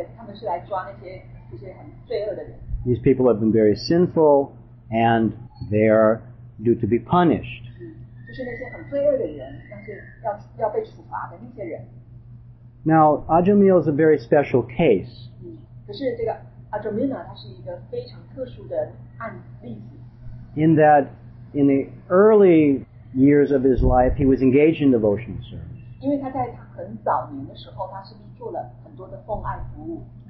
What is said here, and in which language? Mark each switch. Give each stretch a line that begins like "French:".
Chinese: 这是非常清楚的，对不对？他们是来抓那些这些很罪恶的人。
English: These people have been very sinful, and they are due to be punished.
Chinese: 就是那些很罪恶的人，那些要被处罚的那些人。
English: Now, Ajamil is a very special case.
Chinese: 可是这个Ajamina他是一个非常特殊的案例子。
English: In that, in the early years of his life, he was engaged in devotional service.
Chinese: 因为他在很早年的时候，他是做了很多的奉爱服务。